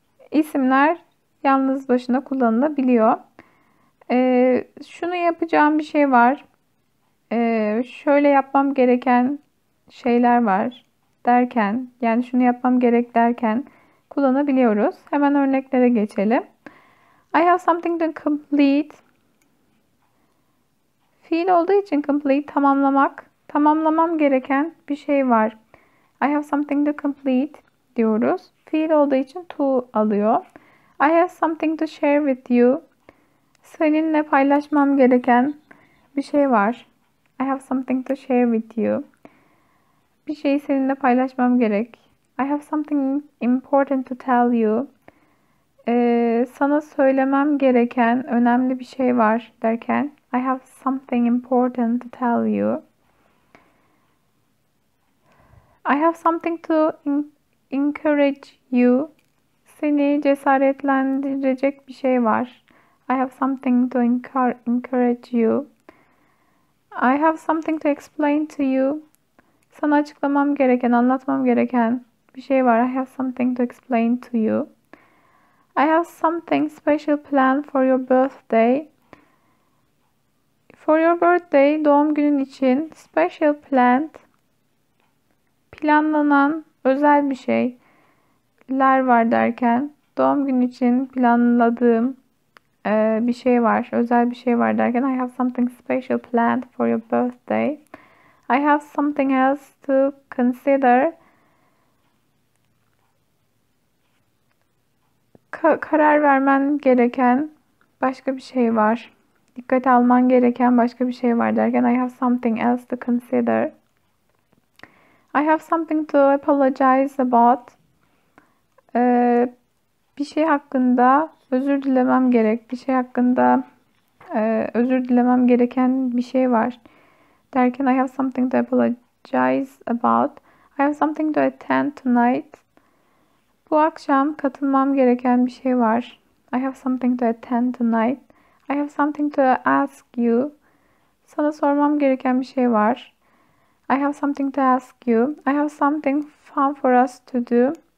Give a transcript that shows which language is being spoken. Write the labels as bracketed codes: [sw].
[tr] İsimler yalnız başına kullanılabiliyor. Şunu yapacağım bir şey var. Şöyle yapmam gereken şeyler var. Derken, yani şunu yapmam gerek derken kullanabiliyoruz. Hemen örneklere geçelim. [en] I have something to complete. [tr] Fiil olduğu için complete, tamamlamak. Tamamlamam gereken bir şey var. [en] I have something to complete [tr] diyoruz. Fiil olduğu için to alıyor. [en] I have something to share with you. [tr] Seninle paylaşmam gereken bir şey var. [en] I have something to share with you. [tr] Bir şeyi seninle paylaşmam gerek. [en] I have something important to tell you. [tr] Sana söylemem gereken önemli bir şey var derken [en] I have something important to tell you. I have something to encourage you. [tr] Seni cesaretlendirecek bir şey var. [en] I have something to encourage you. I have something to explain to you. [tr] Sana açıklamam gereken, anlatmam gereken bir şey var. [en] I have something to explain to you. I have something special planned for your birthday. For your birthday, [tr] doğum günün için [en] special planned, [tr] planlanan özel bir şeyler var derken, doğum günün için planladığım bir şey var, özel bir şey var derken, [en] I have something special planned for your birthday. I have something else to consider. [tr] Karar vermen gereken başka bir şey var. Dikkate alman gereken başka bir şey var derken [en] I have something else to consider. I have something to apologize about. [tr] Bir şey hakkında özür dilemem gerek. Bir şey hakkında özür dilemem gereken bir şey var. Derken [en] I have something to apologize about. I have something to attend tonight. [tr] Bu akşam katılmam gereken bir şey var. [en] I have something to attend tonight. I have something to ask you. [tr] Sana sormam gereken bir şey var. [en] I have something to ask you. I have something fun for us to do.